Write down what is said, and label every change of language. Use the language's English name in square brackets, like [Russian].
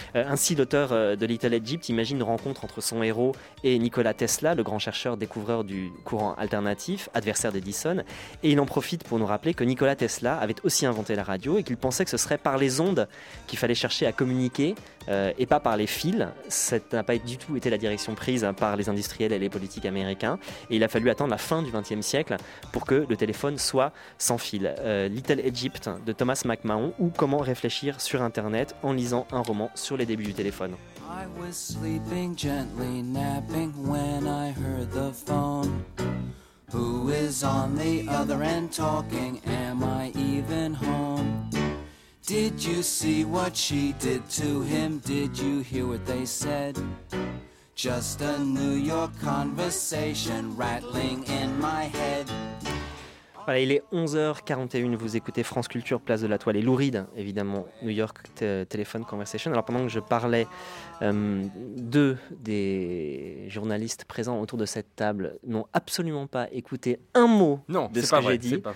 [French] Ainsi, l'auteur de Little Egypt imagine une rencontre entre son héros et Nikola Tesla, le grand chercheur découvreur du courant alternatif, adversaire d'Edison, et il en profite pour nous rappeler que Nikola Tesla avait aussi inventé la radio et qu'il pensait que ce serait par les ondes qu'il fallait chercher à communiquer et pas par les fils. Ça n'a pas du tout été la direction prise par les industriels et les politiques américains, et il a fallu attendre la fin du XXe siècle pour que le téléphone soit sans fil. Little Egypt de Thomas McMahon, ou Comment réfléchir sur Internet en lisant un roman sur les débuts du téléphone. [English] I was sleeping gently, napping when I heard the phone. Who is on the other end talking? Am I even home? Did you see what she did to him? Did you hear what they said? Just a New York conversation rattling in my head. [French] Voilà, il est 11h41, vous écoutez France Culture, Place de la Toile, et Lou Reed, évidemment, New York Telephone Conversation. Alors pendant que je parlais, deux des journalistes présents autour de cette table n'ont absolument pas écouté un mot de ce que j'ai dit.